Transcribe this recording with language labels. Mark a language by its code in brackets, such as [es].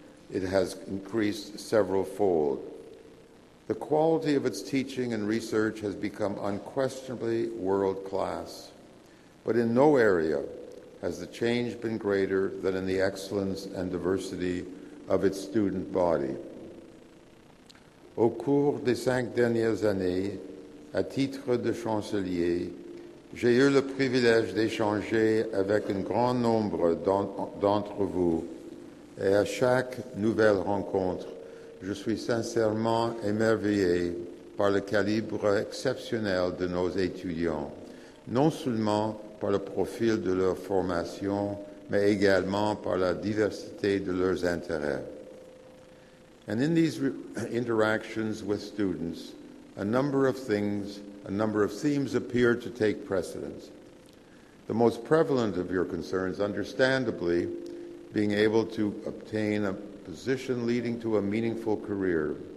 [en] it has increased several fold. The quality of its teaching and research has become unquestionably world class, but in no area has the change been greater than in the excellence and diversity of its student body. [fr] Au cours des cinq dernières années, à titre de chancelier, j'ai eu le privilège d'échanger avec un grand nombre d'entre vous, et à chaque nouvelle rencontre, je suis sincèrement émerveillé par le calibre exceptionnel de nos étudiants, non seulement par le profil de leur formation, mais également par la diversité de leurs intérêts. [en] And in these interactions with students, a number of themes appear to take precedence. The most prevalent of your concerns, understandably, being able to obtain a position leading to a meaningful career.